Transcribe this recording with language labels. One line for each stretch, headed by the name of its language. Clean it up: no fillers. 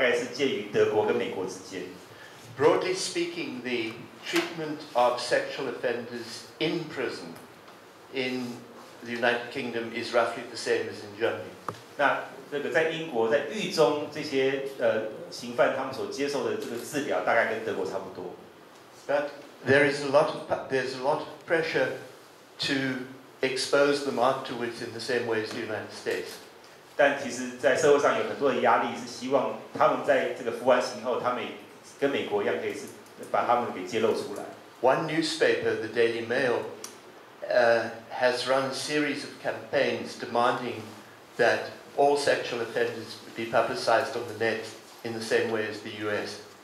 Chinese: 那我想最容易解释的英国的这个方式就是它大概是介于德国跟美国之间。
English: Broadly speaking, the treatment of sexual offenders in prison in the United Kingdom is roughly the same as in Germany.
Chinese: 那这个在英国在狱中这些刑犯他们所接受的这个治疗大概跟德国差不多。But
English: there's a lot of pressure to expose them afterwards in the same way as the United States.
Chinese: 但其实，在社会上有很多的压力，是希望他们在这个服完刑后，他们跟美国一样，可以是把他们给揭露出来。One
English: newspaper, the Daily Mail, has run a series of campaigns demanding that all sexual offenders be publicized on the net in the same way as the US.